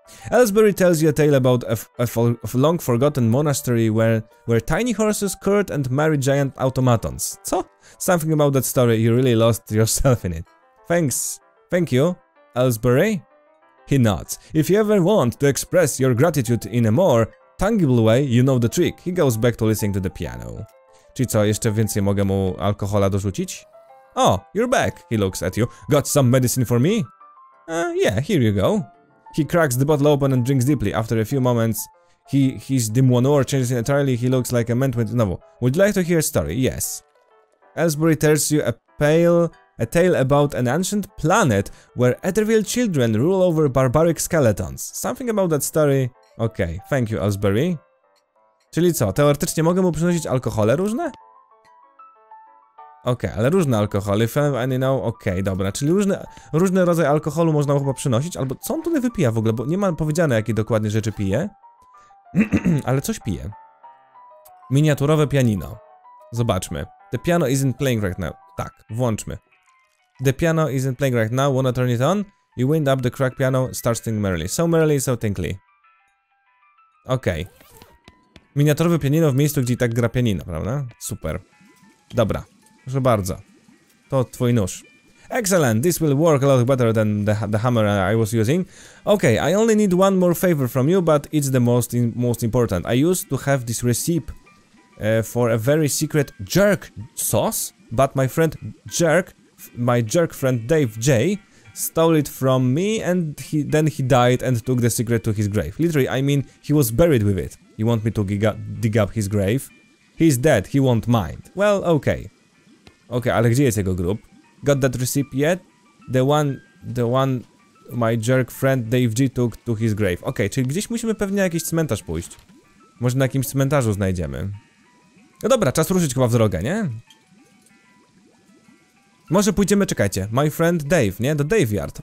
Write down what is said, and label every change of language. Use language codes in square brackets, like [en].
[en] Ellsbury tells you a tale about a long-forgotten monastery where tiny horses courted and married giant automatons. So, something about that story, you really lost yourself in it. Thanks. Thank you, Ellsbury. He nods. If you ever want to express your gratitude in a more tangible way, you know the trick. He goes back to listening to the piano. [pl] Czy co, jeszcze więcej mogę mu alkohola dorzucić? [en] Oh, you're back, he looks at you. Got some medicine for me? Yeah, here you go. He cracks the bottle open and drinks deeply. After a few moments, He's the Monor changes entirely. He looks like a man with novel. Would you like to hear a story? Yes. Ellsbury tells you a tale about an ancient planet where Etherville children rule over barbaric skeletons. Something about that story. Okay, thank you, Ellsbury. [pl] Czyli co, teoretycznie mogę mu przynosić alkohole różne? Okej, ale różne alkohole, [en] if I know, [pl] okej, dobra, czyli różne rodzaje alkoholu można mu chyba przynosić, albo co on tutaj wypija w ogóle, bo nie ma powiedziane, jakie dokładnie rzeczy pije, ale coś pije. Miniaturowe pianino. Zobaczmy. [en] The piano isn't playing right now. [pl] Tak, włączmy. [en] The piano isn't playing right now, wanna turn it on? You wind up the crack piano, starts tinkling merrily. So merrily, so tinkly. Okej. [pl] Miniaturowe pianino w miejscu, gdzie i tak gra pianino, prawda? Super. Dobra. Proszę bardzo. To twój nóż. [en] Excellent! This will work a lot better than the hammer I was using. Okay, I only need one more favor from you, but it's the most important. I used to have this recipe for a very secret jerk sauce, but my jerk friend Dave J stole it from me and then he died and took the secret to his grave. Literally, I mean, he was buried with it. You want me to dig up his grave? He's dead, he won't mind. Well, okay. [pl] Okej, ale gdzie jest jego grób? [en] Got that receipt yet? The one my jerk friend Dave G took to his grave. [pl] Okej, czyli gdzieś musimy pewnie na jakiś cmentarz pójść. Może na jakimś cmentarzu znajdziemy. No dobra, czas ruszyć chyba w drogę, nie? Może pójdziemy, czekajcie, [en] my friend Dave, [pl] nie? Do Dave Yard.